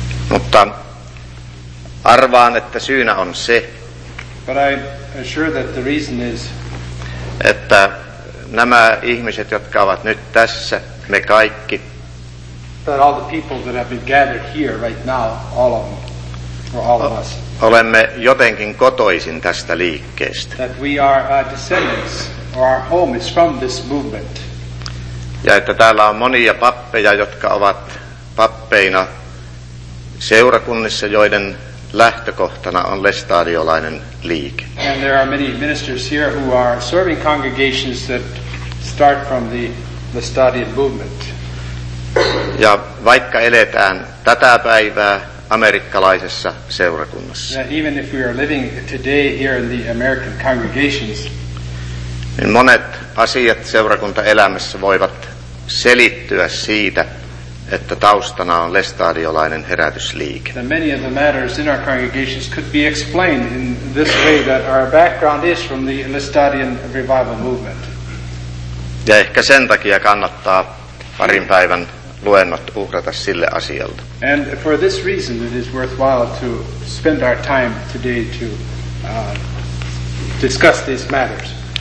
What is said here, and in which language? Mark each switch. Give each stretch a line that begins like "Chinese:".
Finnish: Mutta arvaan, että syynä on se.
English: But I assure that the reason is
Finnish: että nämä ihmiset, jotka ovat nyt tässä, me kaikki.
English: That all the people that have been gathered here right now, all of them, or all of us.
Finnish: Olemme jotenkin kotoisin tästä liikkeestä.
English: That we are descendants, or our home is from this movement.
Finnish: Ja että täällä on monia pappeja, jotka ovat pappeina seurakunnissa, joiden lähtökohtana on lestadiolainen liike.
English: And there are many ministers here who are serving congregations that start from the Lestadian movement.
Finnish: Ja vaikka eletään tätä päivää amerikkalaisessa seurakunnassa.
English: Now, even if we are living today here in the American congregations,
Finnish: niin monet asiat seurakuntaelämässä voivat selittyä siitä, että taustana on lestadiolainen herätysliike.
English: And many of the matters in our congregations could be explained in this way, that our background is from the Lestadian revival movement.
Finnish: Ja ehkä sen takia kannattaa parin päivän luennot uhrata sille asialle.
English: And for this reason it is worthwhile to spend our time today to discuss these matters.